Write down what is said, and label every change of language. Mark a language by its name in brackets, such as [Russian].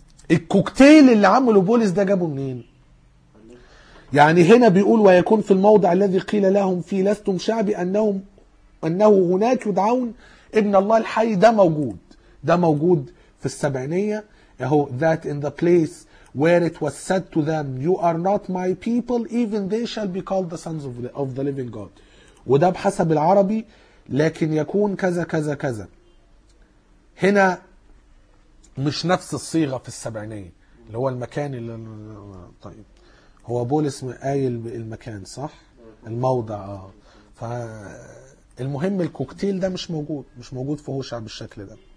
[Arabic] الكوكتيل اللي عمله بولس ده جابه منين؟ يعني هنا بيقول ويكون في الموضع الذي قيل لهم فيه لستم شعبي أنه هناك يدعون ابن الله الحي. ده موجود في السبعينية اهو. [English] That in the place where it was said to them you are not my people even they shall be called the sons of the living God، [Arabic] وده بحسب العربي، لكن يكون كذا كذا [English] كذا. [Arabic] هنا مش نفس الصيغة في السبعينية اللي هو المكان اللي طيب هو بولس قايل المكان صح، الموضع فالمهم الكوكتيل ده مش موجود في هوشع بالشكل ده.